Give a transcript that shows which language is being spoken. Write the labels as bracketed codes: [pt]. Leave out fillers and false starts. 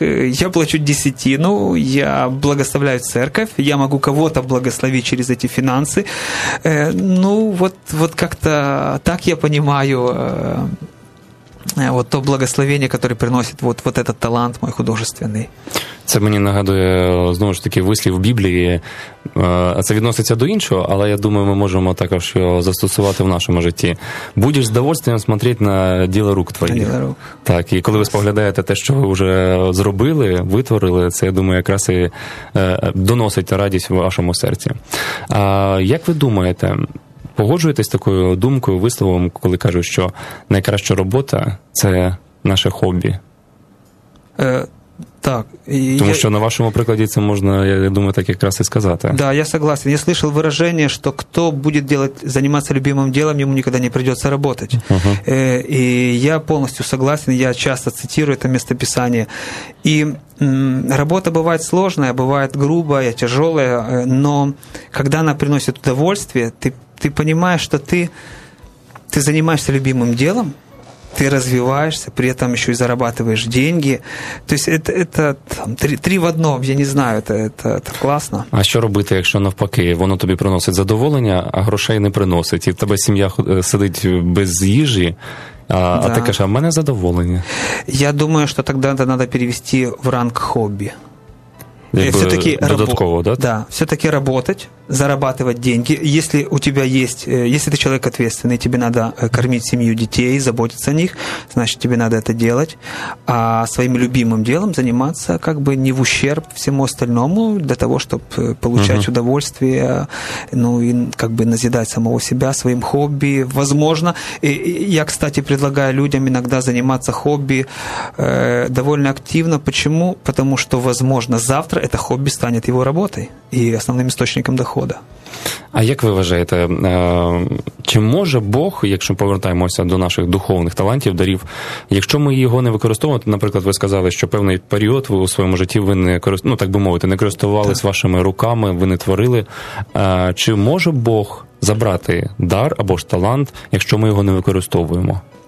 [ru] Я плачу десятину, я благословляю церковь, я могу кого-то благословить через эти финансы. Ну, вот как-то так я понимаю вот то благословение, которое приносит вот этот талант мой художественный. [uk] Це мені нагадує, знову ж таки, вислів Біблії. Це відноситься до іншого, але я думаю, ми можемо також його застосувати в нашому житті. Будеш здоволенням смотреть на діло рук твоїх. Діло рук. Так, і коли ви споглядаєте те, що ви вже зробили, витворили, це, я думаю, якраз і доносить радість в вашому серці. А як ви думаєте, погоджуєтесь такою думкою, висловом, коли кажу, що найкраща робота – це наше хобі? Так. Тому що на вашому прикладі це можна, я думаю, так якраз і сказати. [ru] Да, я согласен. Я слышал выражение, что кто будет заниматься любимым делом, ему никогда не придется работать. И я полностью согласен. Я часто цитирую это местописание. И работа бывает сложная, бывает грубая, тяжелая, но когда она приносит удовольствие, ты понимаешь, что ты занимаешься любимым делом, ты развиваешься, при этом еще и зарабатываешь деньги. То есть это там, три в одном, я не знаю, это классно. [uk] А что робити, якщо навпаки, воно тобі приносить задоволення, а грошей не приносить, і в тебе сім'я сидить без їжі, а ти кажеш, а в мене задоволення. Я думаю, що тоді це треба перевести в ранг хобі. Все-таки додатково, да? [ru] Да, все-таки работать, зарабатывать деньги. Если у тебя есть, если ты человек ответственный, тебе надо кормить семью, детей, заботиться о них, значит, тебе надо это делать. А своим любимым делом заниматься как бы не в ущерб всему остальному, для того, чтобы получать удовольствие, ну и как бы назидать самого себя, своим хобби. Возможно, я, кстати, предлагаю людям иногда заниматься хобби довольно активно. Почему? Потому что, возможно, завтра это хобби станет его работой и основным источником дохода. [uk] А як ви вважаєте, чи може Бог, якщо повертаємося до наших духовних талантів, дарів, якщо ми його не використовуємо, наприклад, ви сказали, що певний період ви у своєму житті ви не користували, ну, так би мовити, не користувались так вашими руками, ви не творили, чи може Бог забрати дар або ж талант, якщо ми його не використовуємо?